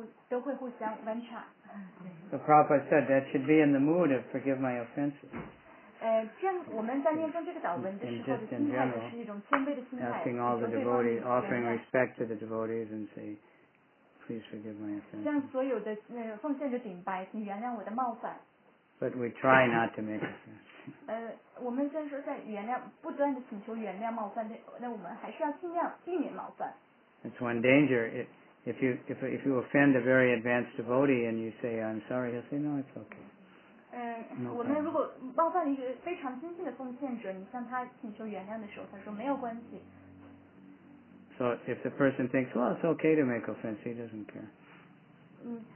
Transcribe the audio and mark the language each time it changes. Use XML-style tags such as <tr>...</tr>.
<en>The Prabhupada said that should be in the mood of forgive my offenses. Asking all the devotees, offering respect to the devotees and say, please forgive my offenses. But we try not to make offenses.</en> <zh>我们虽然说在原谅，不断的请求原谅冒犯，那我们还是要尽量避免冒犯。</zh> <en>It's one danger. If you offend a very advanced devotee and you say I'm sorry, he'll say no, it's okay.</en> <zh>我们如果冒犯了一个非常尊敬的奉献者，你向他请求原谅的时候，他说没有关系。</zh> <en>So if the person thinks, well, it's okay to make offense, he doesn't care.</en>